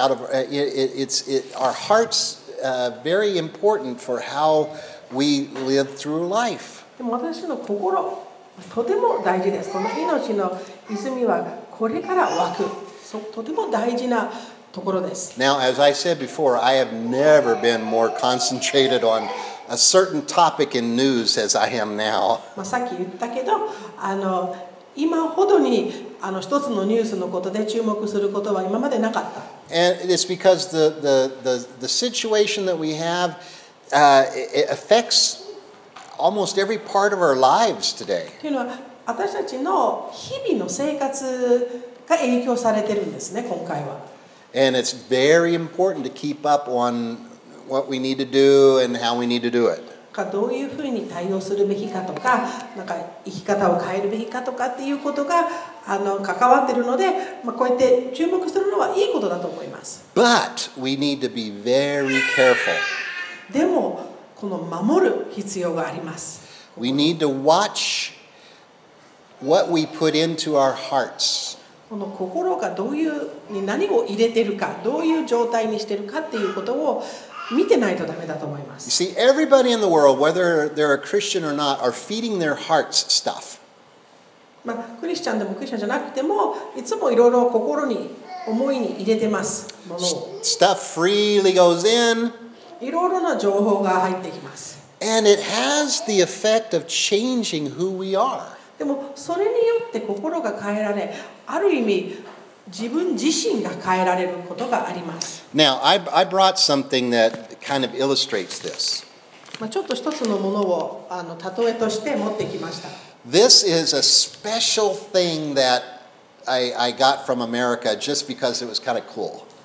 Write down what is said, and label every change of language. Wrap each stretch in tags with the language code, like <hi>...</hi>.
<en>Out of our heart's very important for how we live through life.</en> <ja>でも私の心とても大事です。この命の泉はこれから湧く。とても大事な。</ja> <en>Now, as I said before, I have never been more concentrated on a certain topic in news as I am now.</en> <ja>まあ、さっき言ったけど、あの、今ほどに、あの、一つのニュースのことで注目することは今までなかった。</ja> <en>And it's because the situation that we have, it affects almost every part of our lives today.</en> <ja>というのは私たちの日々の生活が影響されているんですね、今回は。</ja> <en>And it's very important to keep up on what we need to do and how we need to do it.</en> <ja>どういうふうに対応するべきかとか、なんか生き方を変えるべきかとかっていうことが関わっているので、まあ、こうやって注目するのはいいことだと思います。</ja> <en>But we need to be very careful.</en> <ja>でも、この守る必要があります。</ja> <en>We need to watch what we put into our hearts.</en> <ja>この心がどういうに何を入れてるか、どういう状態にしてるかっていうことを見てないとダメだと思います。</ja> <en>You see, everybody in the world, whether they're a Christian or not, are feeding their hearts stuff.</en> <ja>まあ、クリスチャンでもクリスチャンじゃなくても、いつもいろいろ心に思いに入れてますものを。</ja> <en>Stuff freely goes in.</en> <ja>いろいろな情報が入ってきます。</ja> <en>And it has the effect of changing who we are.</en> <ja>でもそれによって心が変えられ、ある意味自分自身が変えられることがあります。</ja> <en>Now, I brought something that kind of illustrates this.</en> <ja>まあちょっと一つのものを例えとして持ってきました。</ja> <en>This is a special thing that I got from America just because it was kind of cool.</en>